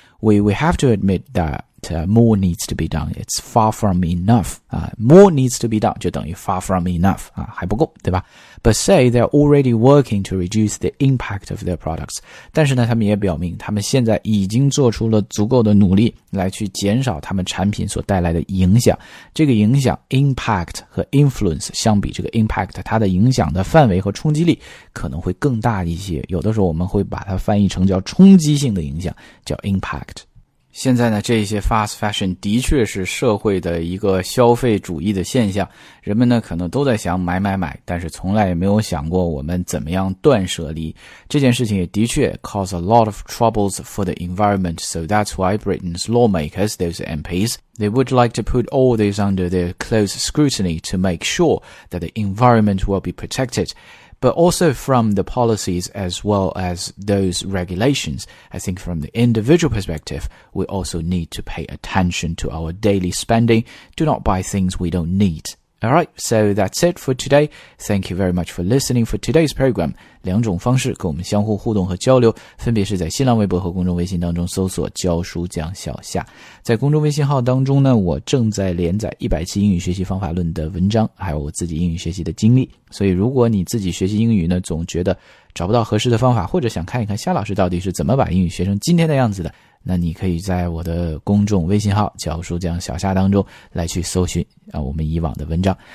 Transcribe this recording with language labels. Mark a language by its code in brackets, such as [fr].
[en] We have to admit that more needs to be done. It's far from enough. More needs to be done [zh] 就等于 [en] far from enough. [zh] 还不够对吧 [en] But say they're already working to reduce the impact of their products. [zh] 但是呢他们也表明他们现在已经做出了足够的努力来去减少他们产品所带来的影响。这个影响 impact 和 influence 相比这个 impact 它的影响的范围和冲击力可能会更大一些。有的时候我们会把它翻译成叫冲击性的影响叫 impact。现在呢，这些 fast fashion 的确是社会的一个消费主义的现象。人们呢，可能都在想买买买，但是从来也没有想过我们怎么样断舍离。这件事情也的确 [en] cause a lot of troubles for the environment, so that's why Britain's lawmakers, those MPs, they would like to put all this under their close scrutiny to make sure that the environment will be protected. But also from the policies as well as those regulations, I think from the individual perspective, we also need to pay attention to our daily spending. Do not buy things we don't need. All right, so that's it for today. Thank you very much for listening for today's program. [zh] 两种方式跟我们相互互动和交流，分别是在新浪微博和公众微信当中搜索教书讲小夏。在公众微信号当中呢，我正在连载100期英语学习方法论的文章，还有我自己英语学习的经历。所以如果你自己学习英语呢，总觉得找不到合适的方法，或者想看一看夏老师到底是怎么把英语学成今天的样子的，那你可以在我的公众微信号教书讲小夏当中来去搜寻啊我们以往的文章。